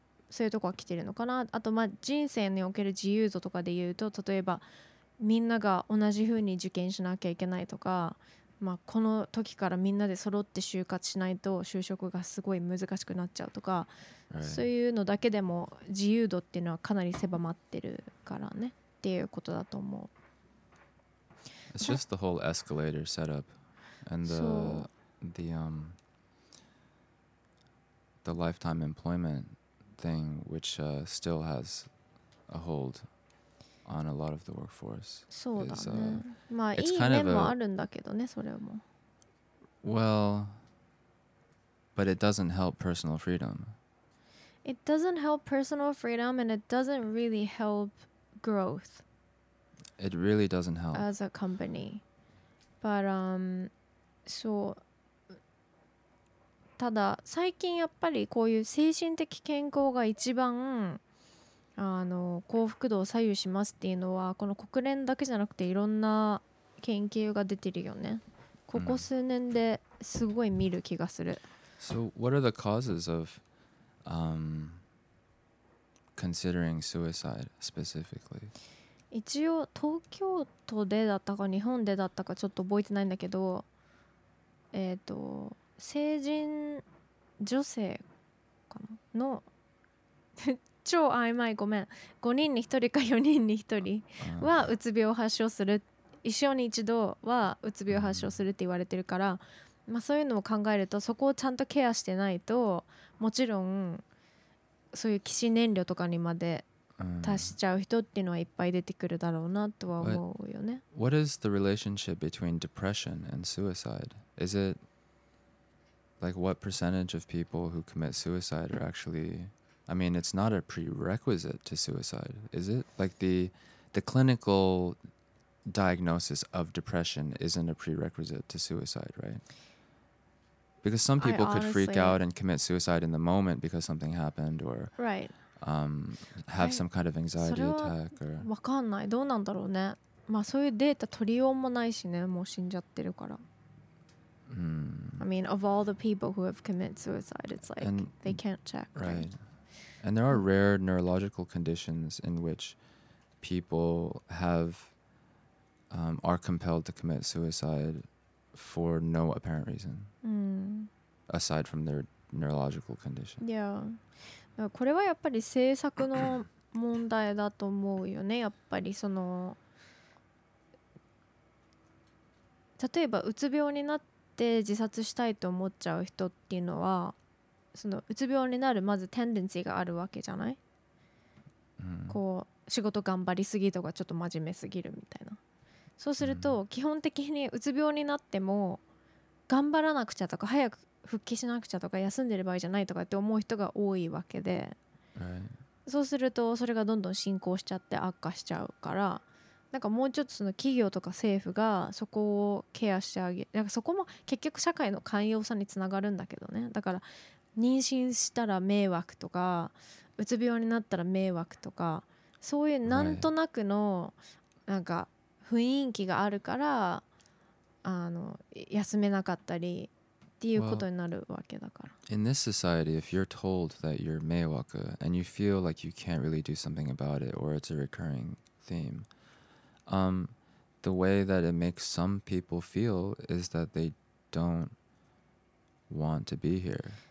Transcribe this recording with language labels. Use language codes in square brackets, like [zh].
[ja] そういうとこは来てるのかな。あとまあ人生における自由度とかで言うと、例えばみんなが同じ風に受験しなきゃいけないとか、まあこの時からみんなで揃って就活しないと就職がすごい難しくなっちゃうとか、そういうのだけでも自由度っていうのはかなり狭まってるからねっていうことだと思う。 [en] It's just the whole escalator setup and the lifetime employmentthing which still has a hold on a lot of the workforce. [ja] そうだね。まあいい面もあるんだけどね、それも。 [en] Well, but it doesn't help personal freedom. It doesn't help personal freedom and it doesn't really help growth. It really doesn't help. As a company. But, so... [ja] ただ最近やっぱりこういう精神的健康が一番あの幸福度を左右しますっていうのは、この国連だけじゃなくていろんな研究が出てるよね。ここ数年ですごい見る気がする。 [en] So what are the causes of considering suicide specifically? [ja] 一応東京都でだったか日本でだったかちょっと覚えてないんだけど、成人女性かなの超曖昧ごめん5人に1人か4人に1人はうつ病を発症する、一生に一度はうつ病を発症するって言われてるから、まあそういうのを考えるとそこをちゃんとケアしてないと、もちろんそういう起死燃料とかにまで達しちゃう人っていうのはいっぱい出てくるだろうなとは思うよね。 [en] What is the relationship between depression and suicide? Is itLike, what percentage of people who commit suicide are actually... I mean, it's not a prerequisite to suicide, is it? Like, the clinical diagnosis of depression isn't a prerequisite to suicide, right? Because some people could freak out and commit suicide in the moment because something happened, or right. Have some kind of anxiety attack. Or... [ja] わかんない。どうなんだろうね。まあ、そういうデータ取りようもないしね。もう死んじゃってるから。 [en] I mean, of all the people who have committed suicide, it's like and, they can't check. Right. And there are rare neurological conditions in which people have, are compelled to commit suicide for no apparent reason, aside from their neurological condition. Yeah. [ja] これはやっぱり政策の問題だと思うよね。やっぱりその、例えばうつ病になってで自殺したいと思っちゃう人っていうのは、そのうつ病になるまずテンデンシーがあるわけじゃない、こう仕事頑張りすぎとかちょっと真面目すぎるみたいな。そうすると基本的にうつ病になっても頑張らなくちゃとか早く復帰しなくちゃとか休んでる場合じゃないとかって思う人が多いわけで、そうするとそれがどんどん進行しちゃって悪化しちゃうから、なんかもうちょっとその企業とか政府がそこをケアしてあげ、なんかそこも結局社会の寛容さにつながるんだけどね。だから妊娠したら迷惑とか、うつ病になったら迷惑とか、そういうなんとなくのなんか雰囲気があるから、あの休めなかったりっていうことになるわけだから。 [en] Well, in this society, if you're told that you're 迷惑 and you feel like you can't really do something about it or it's a recurring themethe way that it makes some people feel is that they don't want to be here.